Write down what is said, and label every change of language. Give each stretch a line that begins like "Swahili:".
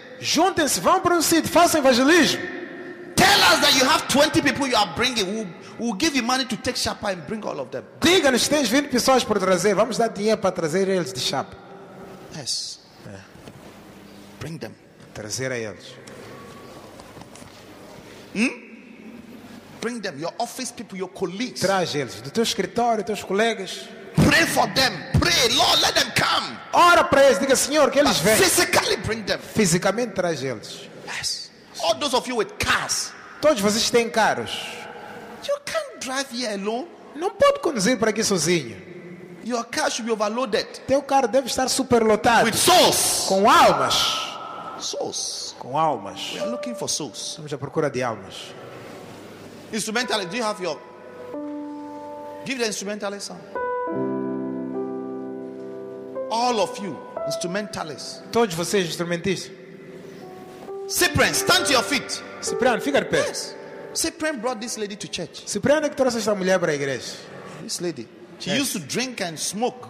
Portuguese: Juntem-se, vão para um sítio, façam evangelismo.
English: Tell us that you have 20 people you are bringing. We'll give you money to take chapa and bring all of them.
Portuguese: Diga-nos, tens 20 pessoas para trazer. Vamos dar dinheiro para trazer eles de chapa.
English: Yes. Bring them.
Portuguese: Trazer a eles.
English: Bring them, your office people, your colleagues.
Portuguese: Traz eles, do teu escritório, teus colegas.
English: Pray for them. Pray, Lord, let them come.
Portuguese: Ora para eles, diga Senhor que eles venham.
English: Physically bring them.
Portuguese: Fisicamente traz eles.
English: Yes. All those of you with cars.
Portuguese: Todos vocês têm carros.
English: You can't drive here alone.
Portuguese: Não pode conduzir para aqui sozinho.
English: Your car should be overloaded.
Portuguese: Teu carro deve estar superlotado.
English: With souls.
Portuguese: Com almas.
English: Souls.
Portuguese: Com almas.
English: We are looking for souls.
Portuguese: Estamos à procura de almas.
English: Instrumentalist, do you have your? Give the instrumentalist some. All of you, instrumentalists.
Portuguese: Todos vocês instrumentistas.
English: Cyprian, stand to your feet.
Portuguese: Cyprian, fica de pé.
English: Yes. Cyprian brought this lady to church.
Portuguese: Cyprian é que trouxe esta mulher para a igreja.
English: This lady, she used to drink and smoke.